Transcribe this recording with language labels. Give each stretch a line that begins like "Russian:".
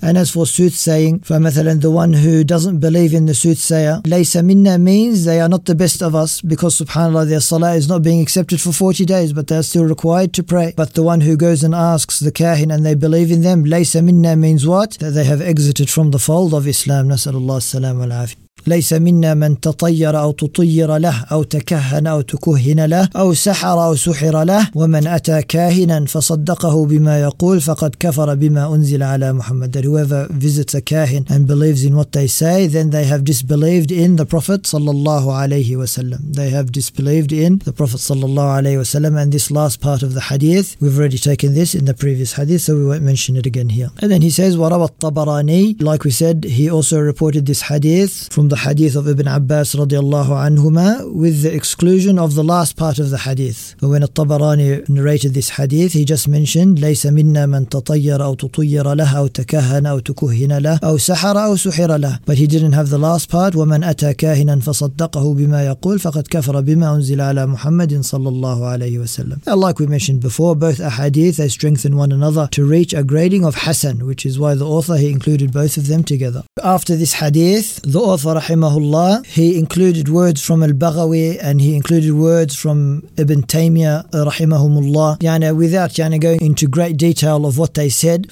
English: And as for soothsaying, for مثلا the one who doesn't believe in the soothsayer,
Arabic: ليس منا
English: means they are not the best of us, because subhanAllah, their salah is not being accepted for 40 days, but they are still required to pray. But the one who goes and asks the kahin and they believe in them,
Arabic: ليس منا
English: means what? That they have exited from the fold of Islam.
Arabic: نسأل الله السلام والعافية. ليس منا من تطير أو تطير له أو تكهن أو تكهن له أو سحر أو سحر له ومن أتى كاهنا فصدقه بما يقول فقد كفر بما أنزل على محمد.
English: That whoever visits a kahin and believes in what they say, then they have disbelieved in the Prophet صلى الله عليه وسلم. They have disbelieved in the Prophet صلى الله عليه وسلم. And this last part of the hadith, we've already taken this in the previous hadith, so we won't mention it again here. And then he says,
Arabic: وروى الطبراني,
English: like we said, he also reported this hadith from the hadith of Ibn Abbas radiallahu anhuma, with the exclusion of the last part of the hadith. But when al-Tabarani narrated this hadith, he just mentioned,
Arabic: ليس منا من تطير أو تطير له أو تكهن أو تكهن له أو سحر أو سحر له.
English: But he didn't have the last part,
Arabic: ومن أتى كاهنا فصدقه بما يقول فقد كفر بما أنزل على محمد صلى الله عليه وسلم.
English: And like we mentioned before, both ahadith, they strengthen one another to reach a grading of Hassan, which is why the author, he included both of them together. After this hadith, the author, rahimahullah, he included words from Al-Baghawi and he included words from Ibn Taymiyyah rahimahumullah, yani without yani going into great detail of what they said.